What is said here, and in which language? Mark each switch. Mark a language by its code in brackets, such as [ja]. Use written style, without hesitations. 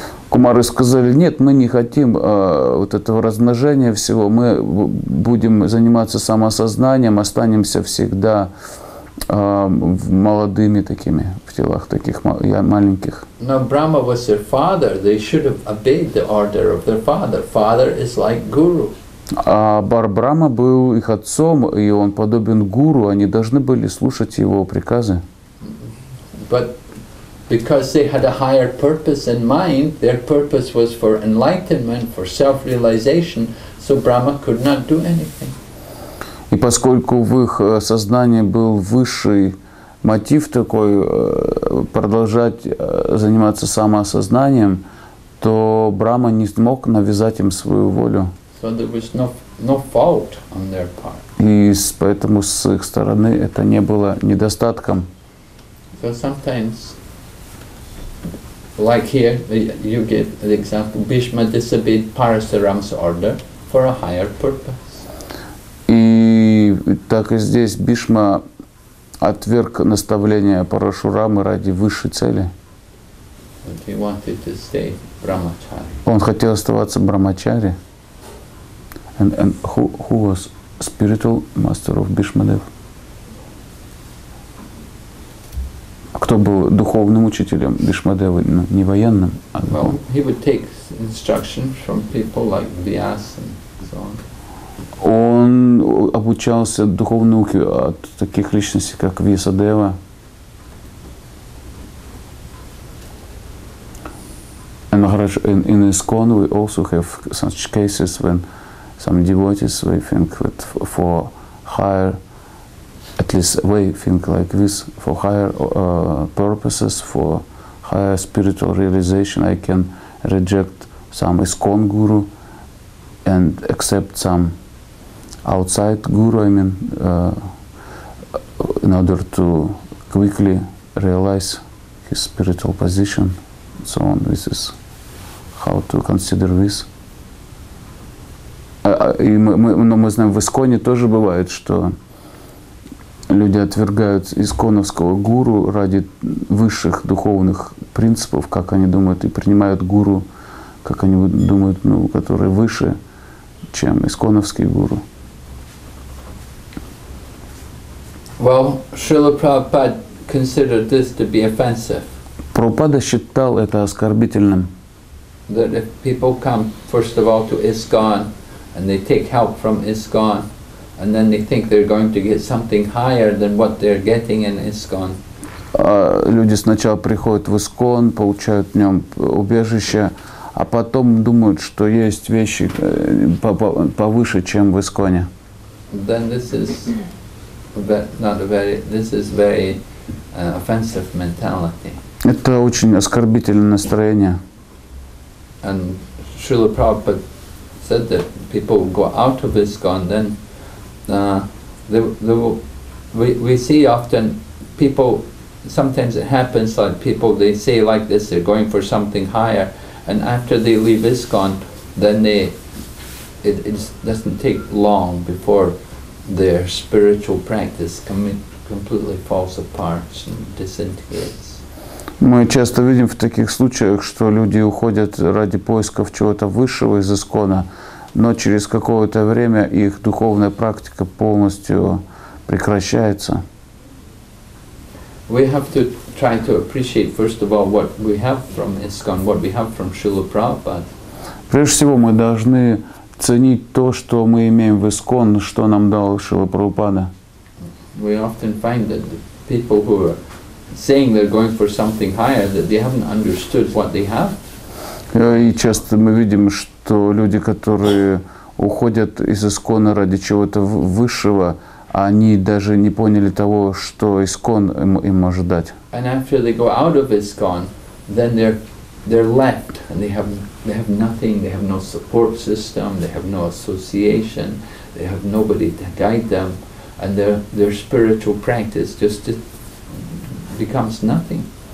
[ru] Кумары сказали, нет, мы не хотим вот этого размножения всего, мы будем заниматься самосознанием, останемся всегда молодыми такими, в телах таких маленьких. Но [en] Брама was their father, they should have obeyed the order of their father. Father is like guru. [ru] А Бар-Брама был их отцом, и он подобен гуру, они должны были слушать его приказы. [en] But because they had a higher purpose in mind, their purpose was for enlightenment, for self-realization, so Brahma could not do anything. [ru] И поскольку в их сознании был высший мотив такой, продолжать заниматься самоосознанием, то Брама не смог навязать им свою волю. [en] So there was no fault on their part. [ru] И поэтому с их стороны это не было недостатком. [en] So sometimes, like here, you gave the example, Bhishma disobeyed Parasurama's order for a higher purpose. [ru] И так и здесь Бхишма отверг наставление Парашурамы ради высшей цели. [en] But he wanted to stay Brahmachari. [ru] Он хотел оставаться Брахмачари. [en] And who was spiritual master of Bhishmadev? [ru] Кто был духовным учителем Бхишмадевы, не военным, а духовным? [en] Well, he would take instructions from people like Vyas and so on. [ru] Он обучался духовной науке от таких личностей, как Вьясадева. [en] In ISKCON we also have such cases when some devotees, we think that for higher, at least we think like this, for higher purposes, for higher spiritual realization, I can reject some ISKCON guru and accept some outside guru, I mean, in order to quickly realize his spiritual position, so on. This is how to consider this. [ru] Но мы знаем, в Исконе тоже бывает, что люди отвергают исконовского гуру ради высших духовных принципов, как они думают, и принимают гуру, как они думают, ну, который выше, чем исконовский гуру. [en] Well, Srila Prabhupada considered this to be offensive. [ru] Прабхупада считал это оскорбительным. [en] That if people come, first of all, to ISKCON, and they take help from ISKCON, and then they think they're going to get something higher than what they're getting in ISKCON. [ru] Люди сначала приходят в ИСКОН, получают в нем убежище, а потом думают, что есть вещи повыше, чем в ИСКОНе. [en] Then this is very offensive mentality. [ru] Это очень оскорбительное настроение. [en] And Srila Prabhupada said that people go out of ISKCON, then we see often people, sometimes it happens like people, they say like this, they're going for something higher, and after they leave ISKCON, then it doesn't take long before their spiritual practice completely falls apart and disintegrates. [ru] Мы часто видим в таких случаях, что люди уходят ради поисков чего-то высшего из ИСКОНа, но через какое-то время их духовная практика полностью прекращается. [en] We have to try to appreciate, first of all, what we have from ISKCON, what we have from Srila Prabhupada. [ru] Прежде всего, мы должны ценить то, что мы имеем в ИСКОН, что нам дал Шрила Прабхупада. [en] We often find that people who are saying they're going for something higher, that they haven't understood what they have. [ru] И часто мы видим, что люди, которые уходят из ИСКОНа ради чего-то высшего, они даже не поняли того, что ИСКОН им может дать. [en] And after they go out of ISKCON, then they're left, and they have nothing, they have no support system, they have no association, they have nobody to guide them, and their spiritual practice just becomes nothing.